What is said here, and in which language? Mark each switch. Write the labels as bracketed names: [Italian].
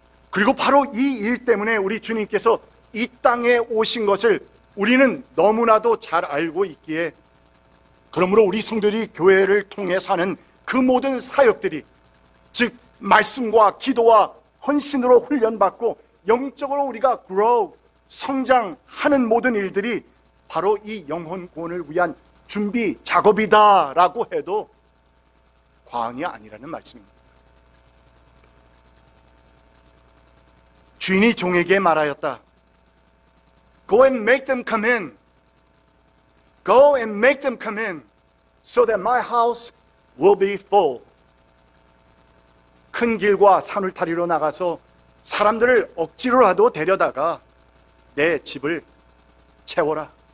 [Korean] 그리고 바로 이 일 때문에 우리 주님께서 이 땅에 오신 것을 우리는 너무나도 잘 알고 있기에 그러므로 우리 성도들이 교회를 통해 사는 그 모든 사역들이 즉 말씀과 기도와 헌신으로 훈련받고 영적으로 우리가 grow, 성장하는 모든 일들이 바로 이 영혼 구원을 위한 준비 작업이다라고 해도 과언이 아니라는 말씀입니다. 주인이 종에게 말하였다. [English] Go and make them come in. Go and make them come in so that my house will be full. [Korean] 큰 길과 산울타리로 나가서 사람들을 억지로라도 데려다가 내 집을 채워라.